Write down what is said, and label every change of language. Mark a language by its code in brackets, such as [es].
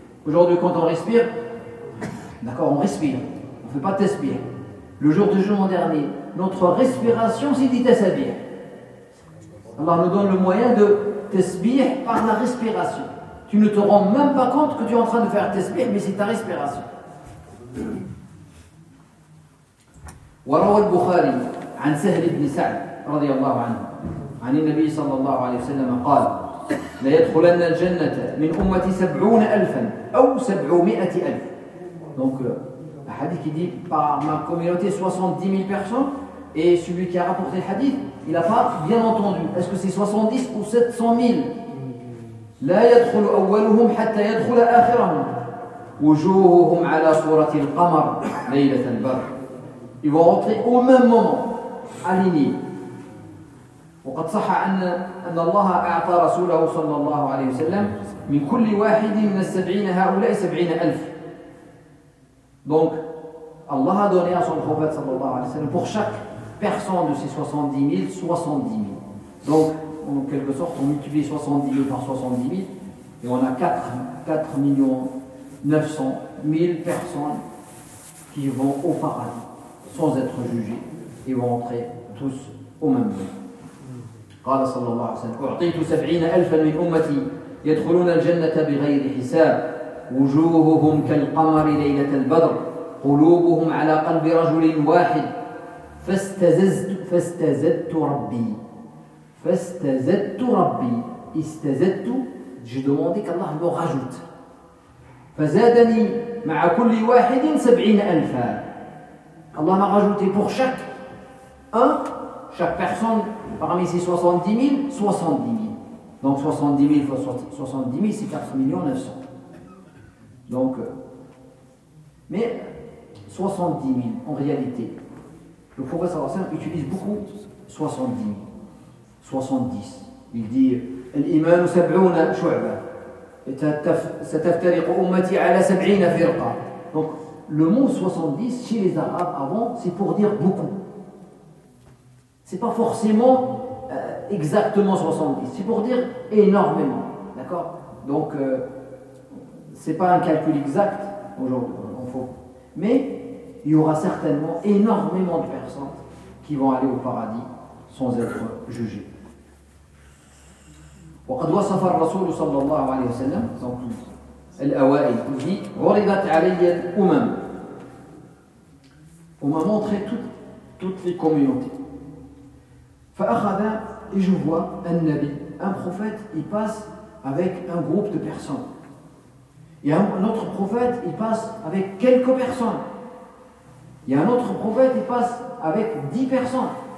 [fr] Aujourd'hui, quand on respire, d'accord, on respire, on ne fait pas tasbih. Le jour du jugement dernier, notre respiration, c'est du tasbih. Allah nous donne le moyen de tasbih par la respiration. Tu ne te rends même pas compte que tu es en train de faire tasbih, mais c'est ta respiration. [ar] وروى البخاري عن سهل بن سعد رضي الله عنه عن النبي صلى الله عليه وسلم قال لا يدخلن الجنة من أمتي 70,000 أو 700,000. [fr] Donc le hadith qui dit par ma communauté 70,000 personnes, et celui qui a rapporté le hadith, il n'a pas bien entendu. Est-ce que c'est 70 ou 700,000? [ar] لا يدخل أولهم حتى يدخل آخرهم وجوههم على صورة القمر ليلة البر. [fr] Ils vont rentrer au même moment, alignés. [ar] وقد صح أن الله أعطى رسوله صلى الله عليه وسلم من كل واحد من السبعين هؤلاء 70,000. [fr] Donc, Allah a donné à son prophète [ar] صلى الله عليه وسلم [fr] pour chaque personne de ces 70,000, 70,000. Donc, en quelque sorte, on multiplie 70,000 par 70,000 et on a 4,900,000 personnes qui vont au paradis. Sans être jugés, ils vont entrer tous au même lieu. [ar] قال صلى الله عليه وسلم أعطيت 70,000 من أمتي يدخلون الجنة بغير حساب وجوههم كالقمر ليلة البدر قلوبهم على قلب رجل واحد فاستزدت ربي. [fr] Je demandais qu'Allah me rajoute. [ar] فزادني مع كل واحد 70,000. [fr] Allah m'a rajouté pour chaque personne parmi ces 70,000, 70,000. Donc 70,000 fois 70,000, c'est 4,900,000. Donc, mais 70,000 en réalité, le prophète [ar] sallallahu alayhi wa sallam [fr] utilise beaucoup 70,000, 70. Il dit [ar] Al-Iman 70 shu'ba, [fr] et [ar] sataftariq ummati ala 70 firqa. [fr] Donc, le mot 70 chez les Arabes avant, c'est pour dire beaucoup. C'est pas forcément exactement 70, c'est pour dire énormément. D'accord ? Donc, c'est pas un calcul exact aujourd'hui, en faux. Mais il y aura certainement énormément de personnes qui vont aller au paradis sans être jugées. [ar] وقد وصف الرسول صلى الله عليه وسلم الأوائل في عرضت علي الأمم. [fr] On m'a montré toutes les communautés. فأخذ, et je vois un Nabi, un prophète, il passe avec un groupe de personnes. Et un autre prophète, il passe avec quelques personnes. Et un autre prophète, il passe avec 10 personnes.